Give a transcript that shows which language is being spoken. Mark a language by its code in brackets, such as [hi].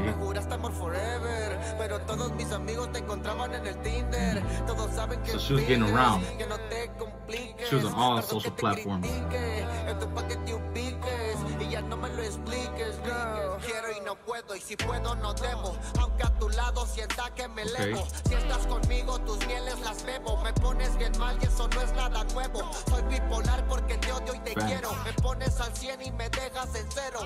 [es] Me juraste amor forever, pero todos mis amigos te encontraban en el Tinder. Todos saben que [en] so she was getting around. [es] Que no te compliques. [en] She was on all social platforms. [es] En tu paquete ubiques y ya no me lo expliques, girl. Quiero y no puedo, y si puedo no debo. Aunque a tu lado sienta que me elevo. Si estás conmigo, tus mieles las bebo. Me pones bien mal y eso no es nada nuevo. Soy bipolar porque te odio y te quiero. Me pones al 100 y me dejas en cero.